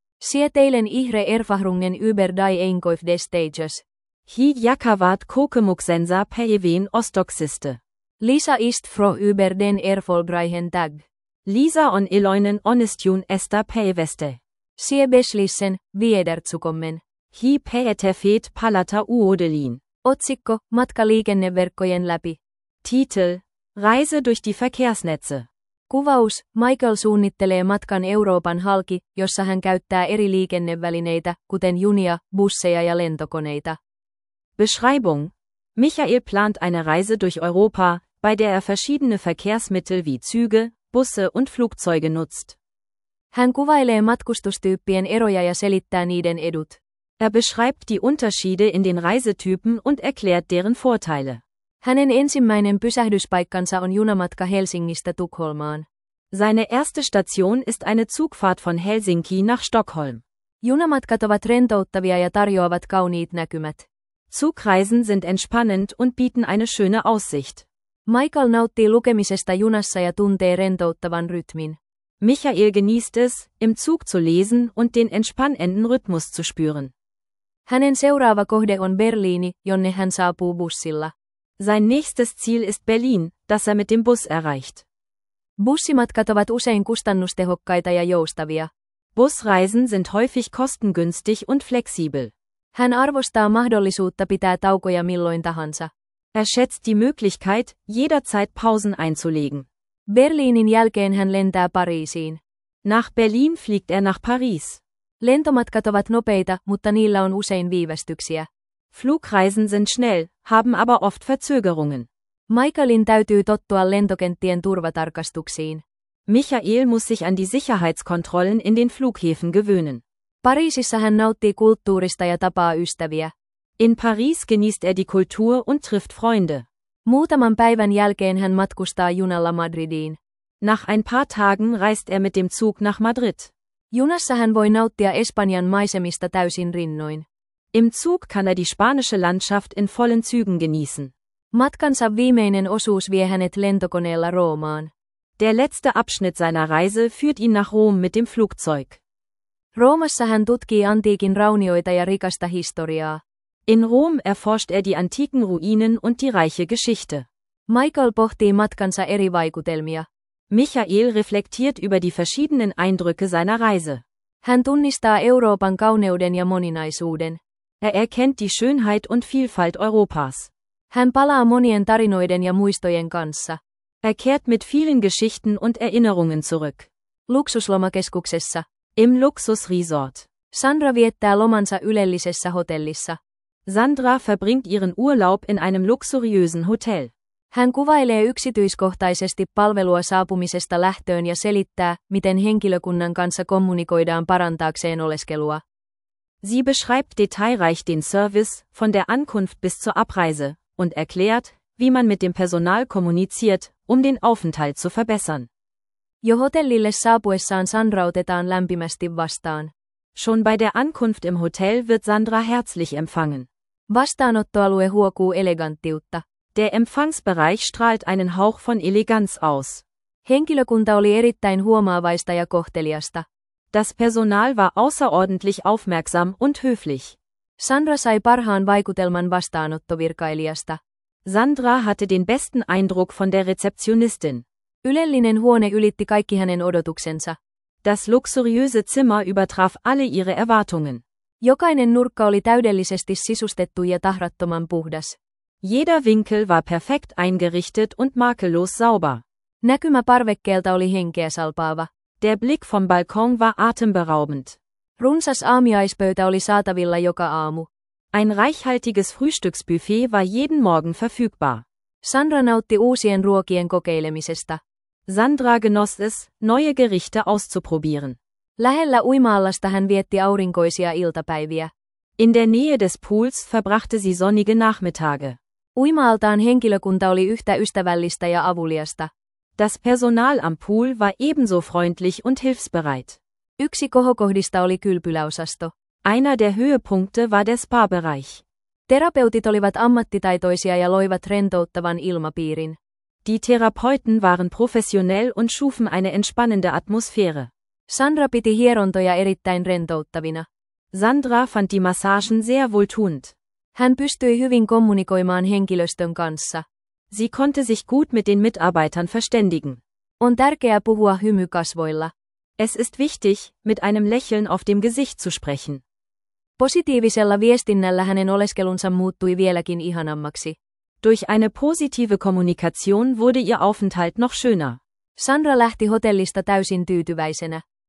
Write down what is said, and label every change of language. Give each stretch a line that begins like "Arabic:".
German: Sie teilen ihre Erfahrungen über die Einkauf des Stages.
Finnish: Hi jakavat kokemuksensa peivin ostoxiste.
German: Lisa ist froh über den erfolgreichen Tag.
Finnish: Lisa on iloinen onnistjun esta päiväste.
German: Sie beschließen, wiederzukommen.
Finnish: Hi päätä feet palata uodelin. Otsikko, matka liikenneverkkojen läpi.
German: Titel, Reise durch die Verkehrsnetze.
Finnish: Kuvaus, Michael suunnittelee matkan Euroopan halki, jossa hän käyttää eri liikennevälineitä, kuten junia, busseja ja lentokoneita.
German: Beschreibung, Michael plant eine Reise durch Europa, bei der er verschiedene Verkehrsmittel wie Züge, Busse und Flugzeuge nutzt.
Finnish: Hän kuvailee matkustustyyppien eroja ja selittää niiden edut.
German: Er beschreibt die Unterschiede in den Reisetypen und erklärt deren Vorteile.
Finnish: Hänen ensimmäinen pysähdyspaikkansa on junamatka Helsingistä Tukholmaan.
German: Seine erste Station ist eine Zugfahrt von Helsinki nach Stockholm.
Finnish: Junamatkat ovat rentouttavia ja tarjoavat kauniit näkymät.
German: Zugreisen sind entspannend und bieten eine schöne Aussicht.
Finnish: Michael nauttii lukemisesta junassa ja tuntee rentouttavan rytmin.
German: Michael genießt es, im Zug zu lesen und den entspannenden Rhythmus zu spüren.
Finnish: Hänen seuraava kohde on Berliini, jonne hän saapuu bussilla.
German: Sein nächstes Ziel ist Berlin, das er mit dem Bus erreicht.
Finnish: Bussimatkat ovat usein kustannustehokkaita ja joustavia.
German: Busreisen sind häufig kostengünstig und flexibel.
Finnish: Hän arvostaa mahdollisuutta pitää taukoja milloin tahansa.
German: Er schätzt die Möglichkeit, jederzeit Pausen einzulegen.
Finnish: Berliinin jälkeen hän lentää Pariisiin.
German: Nach Berlin fliegt er nach Paris.
Finnish: Lentomatkat ovat nopeita, mutta niillä on usein viivästyksiä.
German: Flugreisen sind schnell, haben aber oft Verzögerungen.
Finnish: Michaelin täytyy tottua lentokenttien turvatarkastuksiin.
German: Michael muss sich an die Sicherheitskontrollen in den Flughäfen gewöhnen.
Finnish: Pariisissa hän nauttii kulttuurista ja tapaa ystäviä.
German: In Paris genießt er die Kultur und trifft Freunde.
Finnish: Muutaman päivän jälkeen hän matkustaa junalla Madridiin.
German: Nach ein paar Tagen reist er mit dem Zug nach Madrid.
Finnish: Junassa hän voi nauttia Espanjan maisemista täysin rinnoin.
German: Im Zug kann er die spanische Landschaft in vollen Zügen genießen.
Finnish: Matkansa viimeinen osuus vie hänet lentokoneella Roomaan.
German: Der letzte Abschnitt seiner Reise führt ihn nach Rom mit dem Flugzeug.
Finnish: Roomassa hän tutkii antiikin raunioita ja rikasta historiaa.
German: In Rom erforscht er die antiken Ruinen und die reiche Geschichte.
Finnish: Michael pohtii matkansa eri vaikutelmia.
German: Michael reflektiert über die verschiedenen Eindrücke seiner Reise.
Finnish: Hän tunnistaa Euroopan kauneuden ja moninaisuuden.
German: Er erkennt die Schönheit und Vielfalt Europas.
Finnish: Hän palaa monien tarinoiden ja muistojen kanssa.
German: Er kehrt mit vielen Geschichten und Erinnerungen zurück.
Finnish: Luksuslomakeskuksessa.
German: Im Luxusresort.
Finnish: Sandra viettää lomansa ylellisessä hotellissa.
German: Sandra verbringt ihren Urlaub in einem luxuriösen Hotel.
Finnish: Hän kuvailee yksityiskohtaisesti palvelua saapumisesta lähtöön ja selittää, miten henkilökunnan kanssa kommunikoidaan parantaakseen oleskelua.
German: Sie beschreibt detailreich den Service, von der Ankunft bis zur Abreise, und erklärt, wie man mit dem Personal kommuniziert, um den Aufenthalt zu verbessern.
Finnish: Jo hotellille saapuessaan Sandra otetaan lämpimästi vastaan.
German: Schon bei der Ankunft im Hotel wird Sandra herzlich empfangen.
Finnish: Vastaanottoalue huokuu eleganttiutta.
German: Der Empfangsbereich strahlt einen Hauch von Eleganz aus.
Finnish: Henkilökunta oli erittäin huomaavaista ja kohteliasta.
German: Das Personal war außerordentlich aufmerksam und höflich.
Finnish: Sandra sai parhaan vaikutelman vastaanottovirkailijasta.
German: Sandra hatte den besten Eindruck von der Rezeptionistin.
Finnish: Ylellinen huone ylitti kaikki hänen odotuksensa.
German: Das luxuriöse Zimmer übertraf alle ihre Erwartungen.
Finnish: Jokainen nurkka oli täydellisesti sisustettu ja tahrattoman puhdas.
German: Jeder Winkel war perfekt eingerichtet und makellos sauber.
Finnish: Näkymä parvekkeelta oli henkeä salpaava.
German: Der Blick vom Balkon war atemberaubend.
Finnish: Runsas aamiaispöytä oli saatavilla joka aamu.
German: Ein reichhaltiges Frühstücksbuffet war jeden Morgen verfügbar.
Finnish: Sandra nautti uusien ruokien kokeilemisesta.
German: Sandra genoss es, neue Gerichte auszuprobieren.
Finnish: Lähellä uima-allasta hän vietti aurinkoisia iltapäiviä.
German: In der Nähe des Pools verbrachte sie sonnige Nachmittage.
Finnish: Uima-altaan henkilökunta oli yhtä ystävällistä ja avuliasta.
German: Das Personal am Pool war ebenso freundlich und hilfsbereit.
Finnish: Yksi kohokohdista oli kylpyläosasto.
German: Einer der Höhepunkte war der Spa-Bereich.
Finnish: Terapeutit olivat ammattitaitoisia ja loivat rentouttavan ilmapiirin.
German: Die Therapeuten waren professionell und schufen eine entspannende Atmosphäre.
Finnish: Sandra piti hierontoja erittäin rentouttavina.
German: Sandra fand die Massagen sehr wohltuend.
Finnish: Hän pystyi hyvin kommunikoimaan henkilöstön kanssa.
German: Sie konnte sich gut mit den Mitarbeitern verständigen.
Finnish: On tärkeää puhua hymykasvoilla.
German: Es ist wichtig, mit einem Lächeln auf dem Gesicht zu sprechen.
Finnish: Positiivisella viestinnällä hänen oleskelunsa muuttui vieläkin ihanammaksi.
German: Durch eine positive Kommunikation wurde ihr Aufenthalt noch schöner.
Finnish: Sandra lähti hotellista täysin tyytyväisenä.